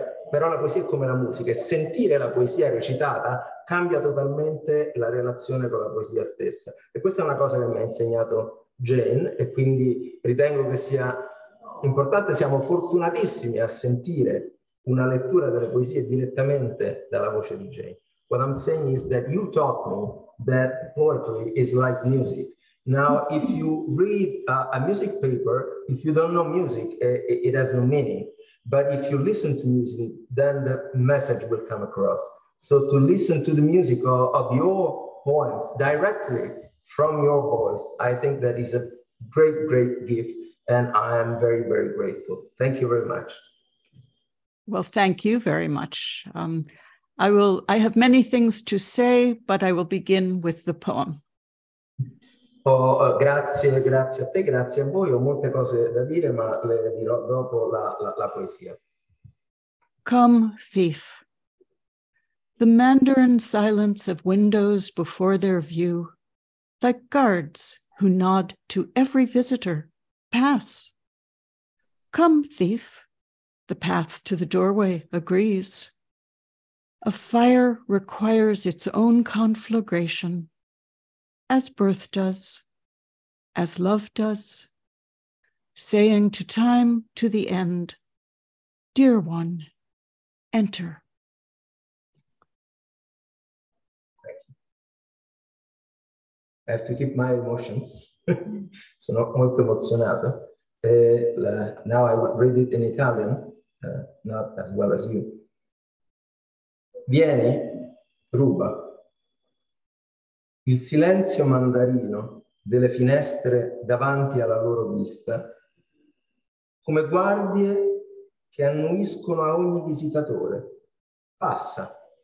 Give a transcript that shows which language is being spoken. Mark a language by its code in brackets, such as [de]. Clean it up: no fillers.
[it] Però la poesia è come la musica, e sentire la poesia recitata cambia totalmente la relazione con la poesia stessa. E questa è una cosa che mi ha insegnato Jane, e quindi ritengo che sia importante. Siamo fortunatissimi a sentire una lettura delle poesie direttamente dalla voce di Jane. [en] What I'm saying is that you taught me that poetry is like music. Now, if you read a music paper, if you don't know music, it has no meaning. But if you listen to music, then the message will come across. So to listen to the music of your poems directly from your voice, I think that is a great, great gift. And I am very, very grateful. Thank you very much. Well, thank you very much. I have many things to say, but I will begin with the poem. [it] Oh, grazie, grazie a te, grazie a voi. Ho molte cose da dire, ma le dirò dopo la poesia. [en] Come, thief. The mandarin silence of windows before their view, like guards who nod to every visitor, pass. Come, thief. The path to the doorway agrees. A fire requires its own conflagration, as birth does, as love does, saying to time, to the end, dear one, enter. I have to keep my emotions. [it] Sono molto emozionato. [en] Now I will read it in Italian, not as well as you. [it] Vieni, ruba. Il silenzio mandarino delle finestre davanti alla loro vista, come guardie che annuiscono a ogni visitatore. Passa.